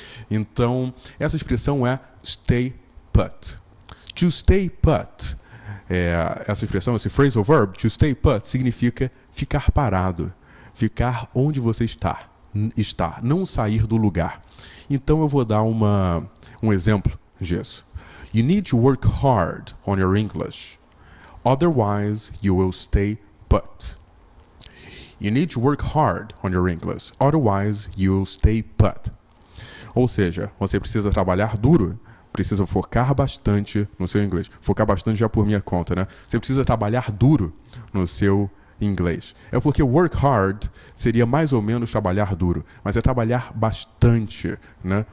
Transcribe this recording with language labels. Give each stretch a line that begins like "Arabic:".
Portuguese: Então, essa expressão é stay put. To stay put, essa expressão, esse phrasal verb, to stay put, significa ficar parado, ficar onde você está, não sair do lugar. Então, eu vou dar um exemplo disso.
English: You need to work hard on your English, otherwise you will stay put. You need to work hard on your English, otherwise you will stay put.
Portuguese: Ou seja, você precisa trabalhar duro, precisa focar bastante no seu inglês. Focar bastante já por minha conta, né? Você precisa trabalhar duro no seu inglês. É porque work hard seria mais ou menos trabalhar duro, mas é trabalhar bastante, né?